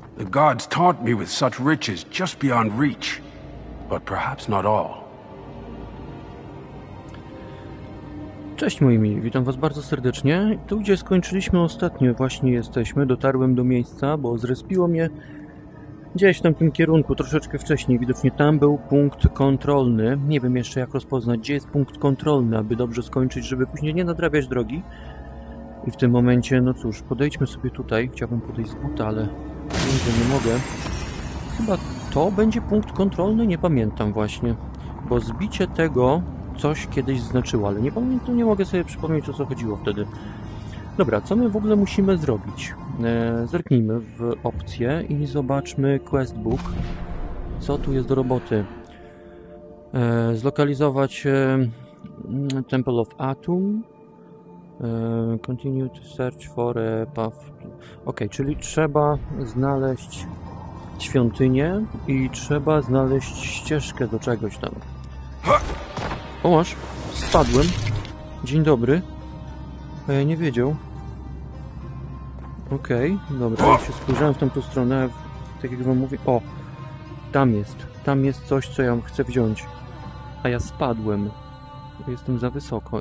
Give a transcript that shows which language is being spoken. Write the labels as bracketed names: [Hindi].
[English] gods taunt me with such riches just beyond reach. But perhaps not all. [Polish] Cześć moi mili, witam was bardzo serdecznie. Tu gdzie skończyliśmy ostatnio właśnie jesteśmy, dotarłem do miejsca, bo zrespiło mnie gdzieś w tamtym kierunku, troszeczkę wcześniej. Widocznie tam był punkt kontrolny. Nie wiem jeszcze jak rozpoznać, gdzie jest punkt kontrolny, aby dobrze skończyć, żeby później nie nadrabiać drogi. I w tym momencie, no cóż, podejdźmy sobie tutaj. Chciałbym podejść z buta, ale nie mogę. Chyba to będzie punkt kontrolny, nie pamiętam właśnie. Bo zbicie tego coś kiedyś znaczyło, ale nie pamiętam, nie mogę sobie przypomnieć, o co chodziło wtedy. Dobra, co my w ogóle musimy zrobić? Zerknijmy w opcje i zobaczmy questbook. Co tu jest do roboty? Zlokalizować Temple of Atum. [English] Continue to search for a path. [Polish] Ok, czyli trzeba znaleźć świątynię i trzeba znaleźć ścieżkę do czegoś tam. O, masz, spadłem. Dzień dobry. A ja nie wiedział. Ok, dobra, ja się spojrzałem w tamtą stronę. Tak jak wam mówię, o, tam jest coś, co ja chcę wziąć. A ja spadłem. Jestem za wysoko.